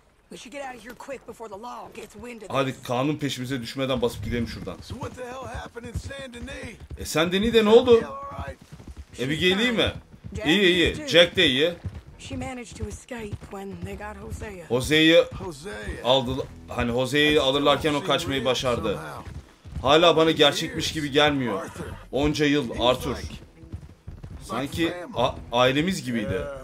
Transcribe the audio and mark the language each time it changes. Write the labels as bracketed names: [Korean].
[English] We should get out of here quick before the law gets wind of this. [Turkish] Hadi kanun peşimize düşmeden basıp gidelim şuradan. [English] So what the hell happened in Saint-Denis? [Turkish] E sen Deni'de ne oldu? Abigail iyi mi? İyi iyi. Jack de iyi. [English] She managed to escape when they got Hosea. [Turkish] Hosea'yı aldı. Hani Hosea'yı alırlarken o kaçmayı başardı. Hala bana gerçekmiş gibi gelmiyor. Onca yıl Arthur. Sanki ailemiz gibiydi.